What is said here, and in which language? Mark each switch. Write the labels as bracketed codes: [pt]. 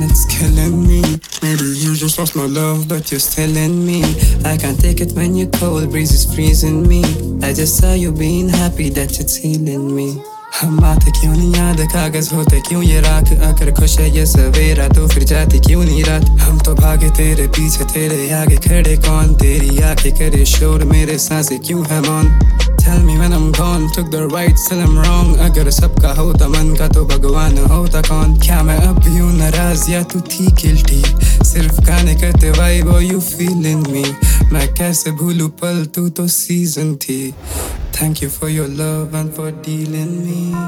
[en] Killing me, maybe you just lost my love, but you're still in me. I can't take it when your cold breeze is freezing me. I just saw you being happy that it's healing me. [hi] हम आते क्यों नहीं याद, कागज होते क्यों ये राख. अगर खुश है ये सवेरा तो फिर जाती क्यों नहीं रात. हम तो भागे तेरे पीछे, तेरे आगे खड़े कौन. तेरी आंखें करे शोर, मेरे सांसे क्यों है मौन. [en] Tell me when I'm gone, took the right, still I'm wrong. [hi] अगर सबका होता मन का तो भगवान होता कौन. क्या मैं अब भी हूँ नाराज या तू थी गिल्टी. सिर्फ गाने करते वाइब, [en] Are you feeling me. [hi] मैं कैसे भूलू पल, तू तो सीजन थी. [en] Thank you for your love and for dealing me.